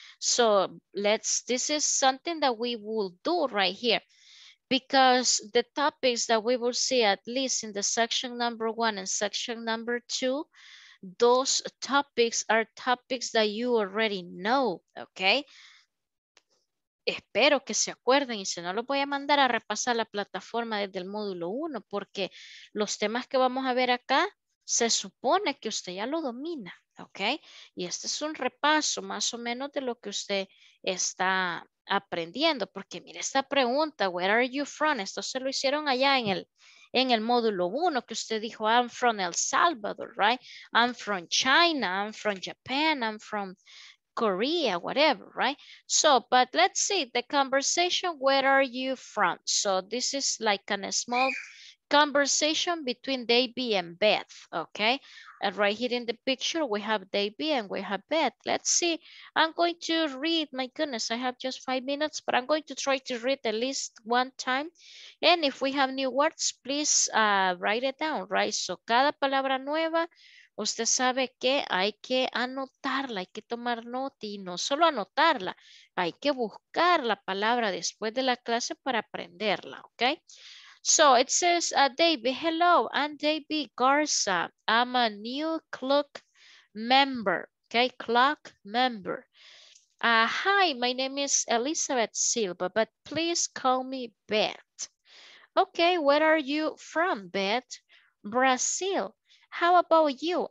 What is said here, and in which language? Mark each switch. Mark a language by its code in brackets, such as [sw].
[en] So let's, this is something that we will do right here. Because the topics that we will see, at least in the section number 1 and section number 2, those topics are topics that you already know, okay? [es] Espero que se acuerden, y si no, los voy a mandar a repasar la plataforma desde el módulo 1, porque los temas que vamos a ver acá, se supone que usted ya lo domina, ¿Ok? Y este es un repaso más o menos de lo que usted está aprendiendo. Porque mire esta pregunta, [en] where are you from? [es] Esto se lo hicieron allá en el módulo 1 que usted dijo, [en] I'm from El Salvador, right? [es] I'm from China, I'm from Japan, I'm from Korea, whatever, right? [en] So, but let's see the conversation, where are you from? So this is like a small conversation between Davey and Beth, okay? And right here in the picture, we have Davey and we have Beth. Let's see, I'm going to read, my goodness, I have just 5 minutes, but I'm going to try to read at least one time. And if we have new words, please write it down, right? So [es] cada palabra nueva, usted sabe que hay que anotarla, hay que tomar nota y no solo anotarla, hay que buscar la palabra después de la clase para aprenderla, okay? [en] So it says, David, hello, I'm David Garza. I'm a new CLUK member, okay, CLUK member. Hi, my name is Elizabeth Silva, but please call me Beth. Okay, where are you from, Beth? Brazil. How about you?